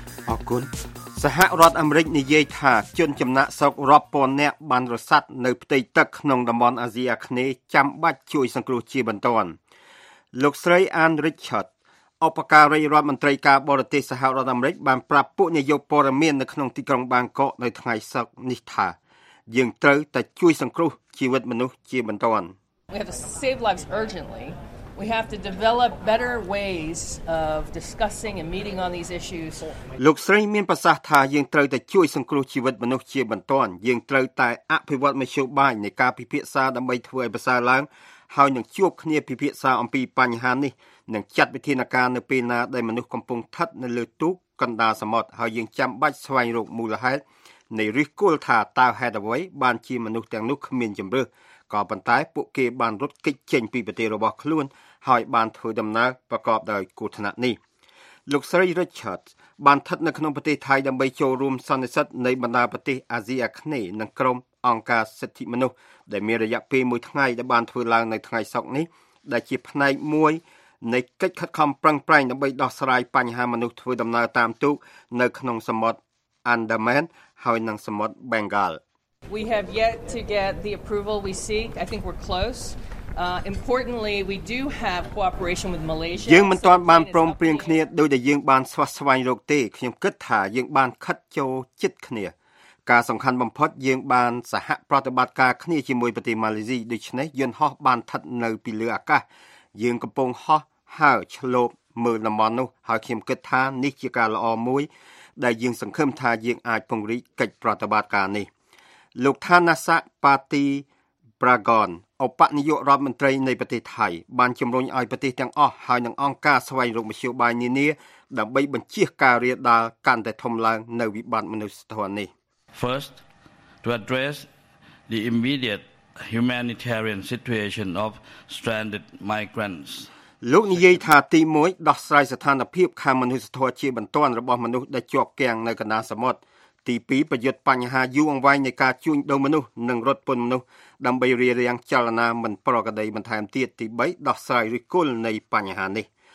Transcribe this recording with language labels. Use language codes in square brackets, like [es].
[km] អរគុណសហរដ្ឋអាមេរិកនិយាយថាជនចំណាក់ស្រុករាប់ពាន់នាក់បានរសាត់នៅផ្ទៃទឹកក្នុងតំបន់អាស៊ីអាគ្នេយ៍ចាំបាច់ជួយសង្គ្រោះជាបន្ទាន់លោកស្រីអានរីឆាតអបការីរដ្ឋមន្ត្រីការបរទេសសហរដ្ឋអាមេរិកបានប្រាប់ពួកនាយកព័ត៌មាននៅក្នុងទីក្រុងបាងកកនៅថ្ងៃសុក្រនេះថាយើងត្រូវតែជួយសង្គ្រោះជីវិតមនុស្សជាបន្ទាន់ [en] We have to save lives urgently. We have to develop better ways of discussing and meeting on these issues. [km] លោកស្រីមានប្រសាសន៍ថាយើងត្រូវតែជួយសង្គ្រោះជីវិតមនុស្សជាបន្ទាន់យើងត្រូវតែអភិវឌ្ឍមជ្ឈបាយនៃការពិភាក្សាដើម្បីធ្វើឲ្យប្រសើរឡើងហើយនឹងជួបគ្នាពិភាក្សាអំពីបញ្ហានេះនិងຈັດវិធានការនៅពេលណាដែលមនុស្សកំពុងថត់នៅលើទូកកណ្ដាលសមុទ្រហើយយើងចាំបាច់ស្វែងរកមូលហេតុនៃរិះគល់ថាតើហេតុអ្វីបានជាមនុស្សទាំងនោះគ្មានជម្រើសក៏ប៉ុន្តែពួកគេបានរត់គេចចេញពីប្រទេសរបស់ខ្លួនហើយបានធ្វើដំណើរប្រកបដោយគ្រោះថ្នាក់នេះ លោកស្រី Richard បានស្ថិតនៅក្នុងប្រទេសថៃដើម្បីចូលរួមសន្និសីទនៃបណ្ដាប្រទេសអាស៊ីអាគ្នេយ៍និងក្រុមអង្គការសិទ្ធិមនុស្សដែលមានរយៈពេលមួយថ្ងៃដែលបានធ្វើឡើងនៅថ្ងៃសុក្រនេះដែលជាផ្នែកមួយនៃកិច្ចខិតខំប្រឹងប្រែងដើម្បីដោះស្រាយបញ្ហាមនុស្សធ្វើដំណើរតាមទូកនៅក្នុងសមុទ្រ Andaman ហើយនិងសមុទ្រ Bengal [en] We have yet to get the approval we seek. I think we're close. Importantly, we do have cooperation with Malaysia. [km] យើងមិនទាន់បានព្រមព្រៀងគ្នាដោយតែយើងបានស្វាស្វែងរកទេខ្ញុំគិតថាយើងបានខិតចូលជិតគ្នាការសំខាន់បំផុតយើងបានសហប្រតិបត្តិការគ្នាជាមួយប្រទេសម៉ាឡេស៊ីដូច្នេះយន្តហោះបានថត់នៅពីលើអាកាសយើងកំពុងហោះហើរឆ្លងមើលតំបន់នោះហើយខ្ញុំគិតថានេះជាការល្អមួយដែលយើងសង្ឃឹមថាយើងអាចពង្រីកកិច្ចប្រតិបត្តិការនេះលោកថានាសាប៉ាទី ប្រាហ្គនអបនាយករដ្ឋមន្ត្រីនៃប្រទេសថៃបានជំរុញឲ្យប្រទេសទាំងអស់ហើយនិងអង្គការស្វែងរកមធ្យោបាយនានាដើម្បីបញ្ជៀសការរាលដាលកាន់តែធំឡើងនៅវិបត្តិមនុស្សធម៌នេះ [en] First to address the immediate humanitarian situation of stranded migrants [km] លោកនិយាយថាទីមួយដោះស្រាយស្ថានភាពខាងមនុស្សធម៌ជាបន្ទាន់របស់មនុស្សដែលជាប់គាំងនៅកណ្ដាលសមុទ្រទី2ប្រយុទ្ធបញ្ហាយូរអង្វែងនៃការជួញដូរមនុស្សនិងរត់ពន្ធមនុស្សដើម្បីរារាំងចលនាមិនប្រក្រតីបន្ថែមទៀតទី3ដោះស្រាយឫសគល់នៃបញ្ហានេះ